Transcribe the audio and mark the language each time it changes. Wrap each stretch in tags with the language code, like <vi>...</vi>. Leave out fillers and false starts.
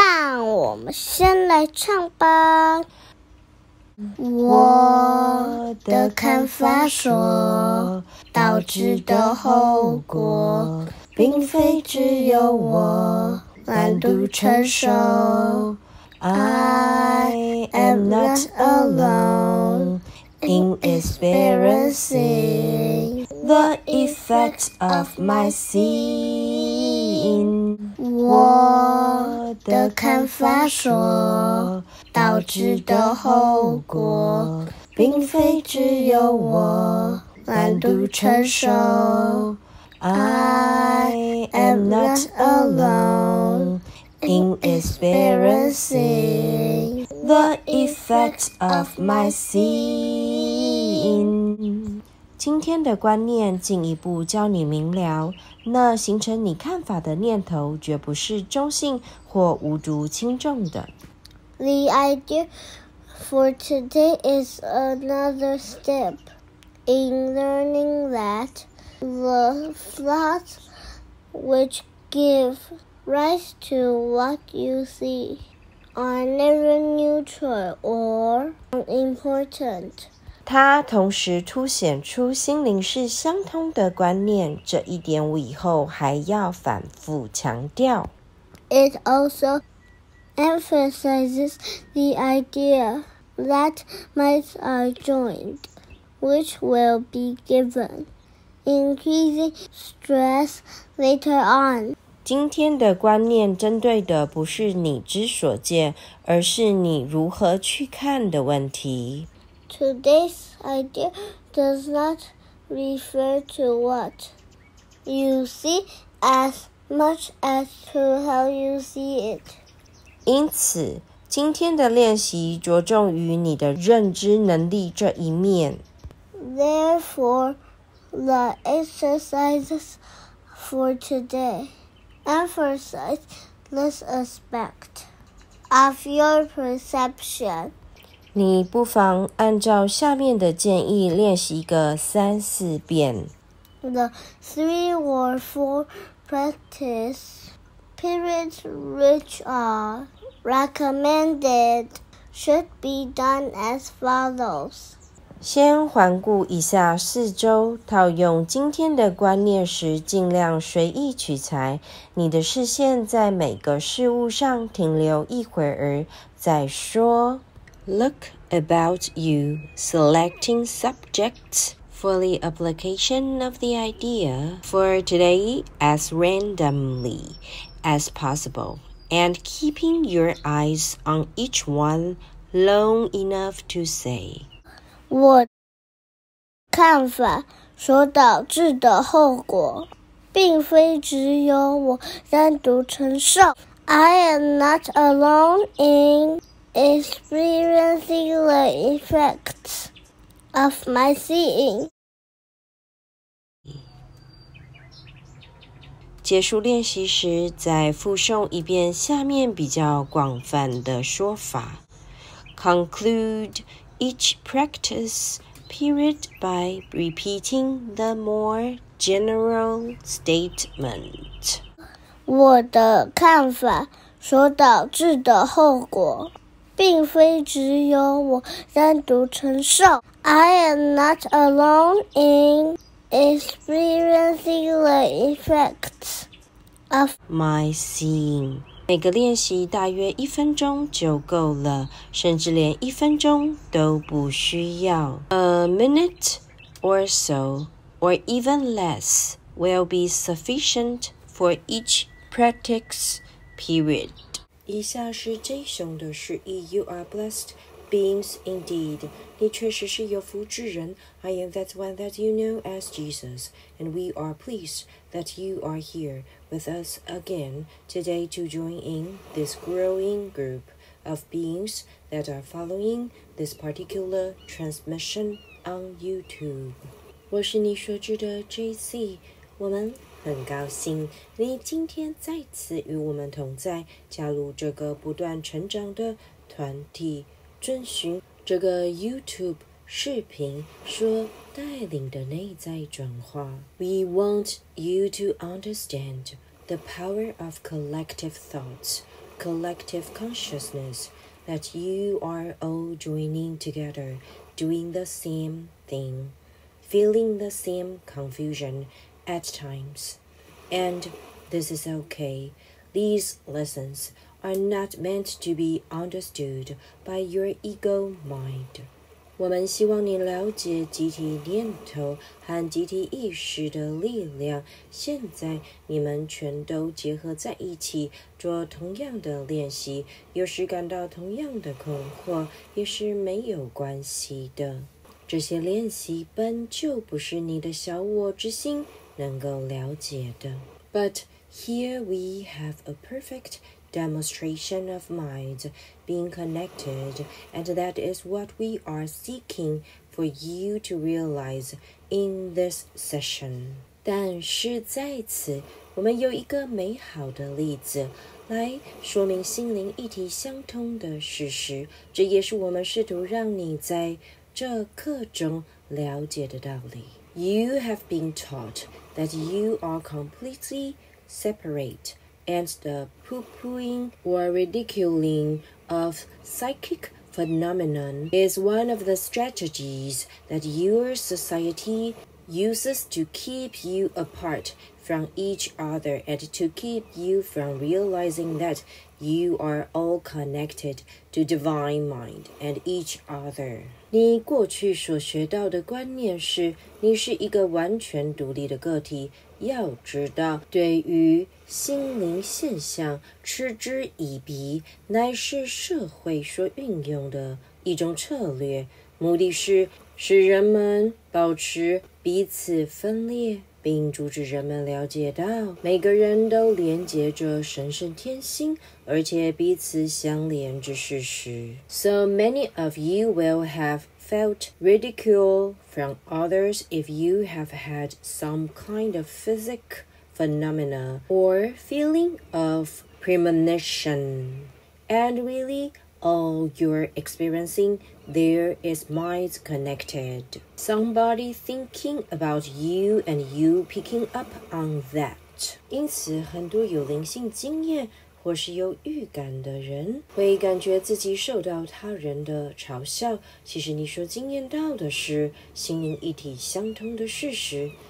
<zh>让我们先来唱吧。我的看法所导致的后果并非只有我单独承受。</zh> <en>I am not alone in experiencing the effect of my seeing。</en> <zh>我的看法所导致的后果并非只有我单独承受。</zh> <en>I am not alone in experiencing the effect of my seeing。</en> <zh>今天的观念进一步教你明了，那形成你看法的念头绝不是中性或无足轻重的。</zh> <en>The idea for today is another step in learning that the thoughts which give rise to what you see are never neutral or unimportant。</en> <zh>它同时凸显出心灵是相通的观念，这一点我以后还要反复强调。</zh> <en>It also emphasizes the idea that minds are joined, which will be given increasing stress later on。</en> <zh>今天的观念针对的不是你之所见，而是你如何去看的问题。</zh> <en>Today's idea does not refer to what you see as much as to how you see it。</en> <zh>因此今天的练习着重于你的认知能力这一面。</zh> <en>Therefore, the exercises for today emphasize this aspect of your perception。</en> <zh>你不妨按照下面的建议练习个三四遍。</zh> <en>The three or four practice periods which are recommended should be done as follows。</en> <zh>先环顾一下四周，套用今天的观念时尽量随意取材，你的视线在每个事物上停留一会儿再说。</zh> <en>Look about you, selecting subjects for the application of the idea for today as randomly as possible, and keeping your eyes on each one long enough to say,</en> <zh>我看法所导致的后果并非只有我单独承受。</zh> <en>I am not alone in... experiencing the effects of my seeing。</en> <zh>结束练习时再复诵一遍下面比较广泛的说法。</zh> <en>Conclude each practice period by repeating the more general statement。</en> <zh>我的看法所导致的后果并非只有我单独承受。</zh> <en>I am not alone in experiencing the effects of my seeing。</en> <zh>每个练习大约一分钟就够了，甚至连一分钟都不需要。</zh> <en>A minute or so, or even less, will be sufficient for each practice period。</en> <zh>以下是 Jason 的示意。</zh> <en>You are blessed beings indeed.</en> <zh>你确实是有福之人。</zh> <en>I am that one that you know as Jesus. And we are pleased that you are here with us again today to join in this growing group. of beings that are following this particular transmission on YouTube.</en> <zh>我是你所知的 JC， 我们很高兴你今天再次与我们同在，加入这个不断成长的团体，遵循这个 YouTube 视频所带领的内在转化。</zh> <en>We want you to understand the power of collective thoughts, collective consciousness, that you are all joining together, doing the same thing, feeling the same confusion at times. And this is okay. These lessons are not meant to be understood by your ego mind.</en> <zh>我们希望你了解集体念头和集体意识的力量。现在你们全都结合在一起做同样的练习，有时感到同样的困惑也是没有关系的。这些练习本就不是你的小我之心能够了解的。</zh> <en>But here we have a perfectDemonstration of mind being connected, and that is what we are seeking for you to realize in this session.</en> <zh>但是在此，我们有一个美好的例子来说明心灵一体相通的事实，这也是我们试图让你在这课中了解的道理。</zh> <en>You have been taught that you are completely separateAnd the poo-pooing or ridiculing of psychic phenomenon is one of the strategies that your society uses to keep you apart from each other and to keep you from realizing that you are all connected to divine mind and each other.</en> <zh>你过去所学到的观念是你是一个完全独立的个体，要知道对于心灵现象嗤之以鼻乃是社会所运用的一种策略，目的是使人们保持彼此分裂，并阻止人们了解到每个人都连接着神圣天心而且彼此相连之事实。</zh> <en>So many of you will havefelt ridicule from others if you have had some kind of physic phenomena or feeling of premonition. And really, all you're experiencing there is mind connected. Somebody thinking about you and you picking up on that.</en> <zh>因此很多有灵性经验或是有预感的人会感觉自己受到他人的嘲笑，其实你所经验到的是心灵一体相通的事实。</zh>